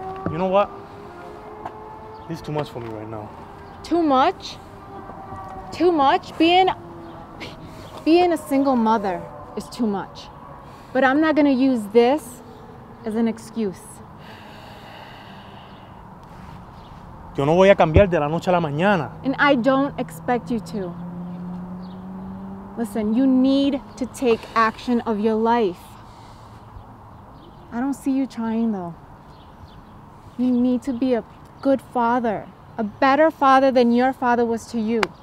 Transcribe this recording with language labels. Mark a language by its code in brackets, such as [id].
[en] You know what? This is too much for me right now. Too much? Too much? Being a single mother is too much. But I'm not gonna use this as an excuse. [es] Yo no voy a cambiar de la noche a la mañana. [en] And I don't expect you to. Listen, you need to take action of your life. I don't see you trying though. You need to be a good father, a better father than your father was to you.